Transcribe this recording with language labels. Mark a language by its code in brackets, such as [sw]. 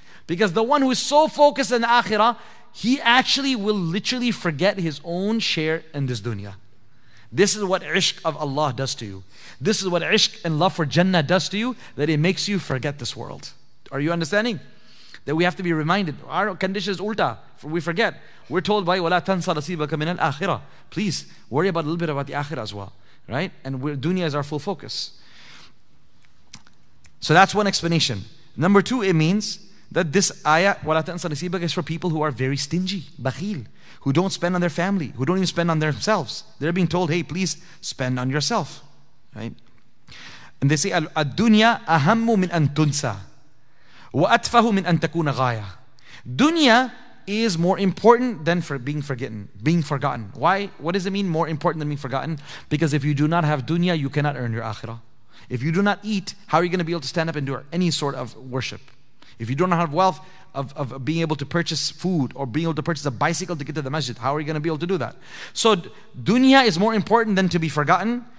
[en] Because the one who is so focused in the akhirah, he actually will literally forget his own share in this dunya. This is what ishq of Allah does to you. This is what ishq and love for Jannah does to you, that it makes you forget this world. Are you understanding? That we have to be reminded. Our condition is ulta. We forget. We're told by, [ar] وَلَا تَنْسَ رَسِيبَكَ مِنَ الْآخِرَةِ. [en] Please, worry about a little bit about the akhirah as well. Right? And dunya is our full focus. So that's one explanation. Number two, it means that this ayah, [ar] وَلَا تَنْسَ نَسِيبَكَ, [en] is for people who are very stingy, bakhil, who don't spend on their family, who don't even spend on themselves. They're being told, hey, please spend on yourself. Right? And they say, [ar] الدُّنْيَا أَهَمُّ مِنْ أَنْ تُنْسَى وَأَتْفَهُ مِنْ أَنْ تَكُونَ غَايَةً. [en] Dunya is more important than for being forgotten. Why? What does it mean, more important than being forgotten? Because if you do not have dunya, you cannot earn your akhirah. If you do not eat, how are you going to be able to stand up and do any sort of worship? If you don't have wealth of being able to purchase food or being able to purchase a bicycle to get to the masjid, how are you going to be able to do that? So dunya is more important than to be forgotten.